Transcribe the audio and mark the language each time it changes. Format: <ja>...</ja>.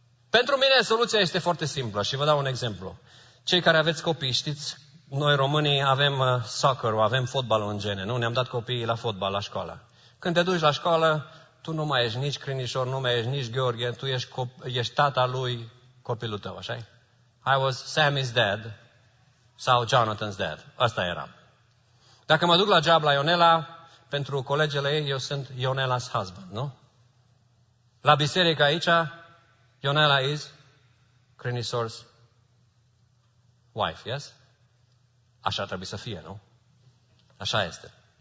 <ro>Pentru mine soluția este foarte simplă și vă dau un exemplu. Cei care aveți copii, știți, noi românii avem soccer, avem fotbal în gene, nu? Ne-am dat copiii la fotbal la școală. Când te duci la școală, tu nu mai ești nici Crinișor, nu mai ești nici Gheorghe, tu ești, ești tata lui, copilul tău, așa-i?</ro> <en>I was Sammy's dad</en> <ro>sau</ro> <en>Jonathan's dad.</en> <ro>Asta eram. Dacă mă duc la job la Ionela, pentru colegele ei, eu sunt</ro> <en>Ionela's husband,</en> <ro>nu? La biserică aici,</ro> <en>Ionela is Crinișor's wife, yes?</en> <ro>Așa trebuie să fie, nu? Așa este.</ro>